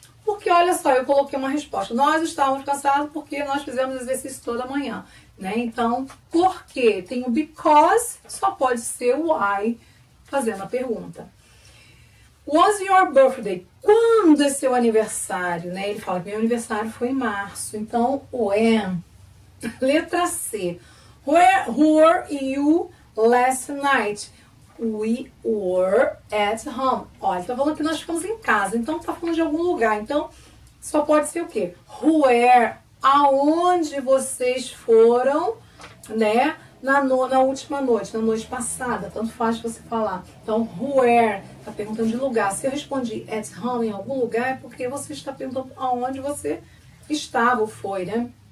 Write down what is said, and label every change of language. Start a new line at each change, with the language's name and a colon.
Portuguese: Porque, olha só, eu coloquei uma resposta. Nós estávamos cansados porque nós fizemos exercício toda manhã, né? Então, por quê? Tem o because, só pode ser o why, fazendo a pergunta.
English: Was your birthday?
Portuguese: Quando é seu aniversário, né? Ele fala que meu aniversário foi em março. Então, when. Letra C.
English: Where were you last night? We were at home.
Portuguese: Olha, tá falando que nós ficamos em casa. Então, tá falando de algum lugar. Então, só pode ser o quê? Where? Aonde vocês foram, né? Na última noite, na noite passada, tanto faz você falar. Então, where, tá perguntando de lugar. Se eu respondi at home, em algum lugar, é porque você está perguntando aonde você estava ou foi, né?